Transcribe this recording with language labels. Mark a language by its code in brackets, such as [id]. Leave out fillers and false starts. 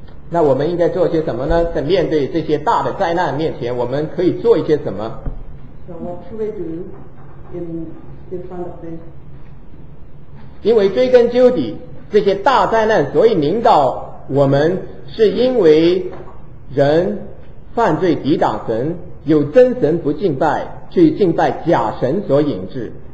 [zh] 那我们应该做些什么呢？在面对这些大的灾难面前，我们可以做一些什么？ [en] So what should we do in front of this? [zh] 因为追根究底，这些大灾难所以临到我们是因为人犯罪抵挡神，有真神不敬拜，去敬拜假神所引致。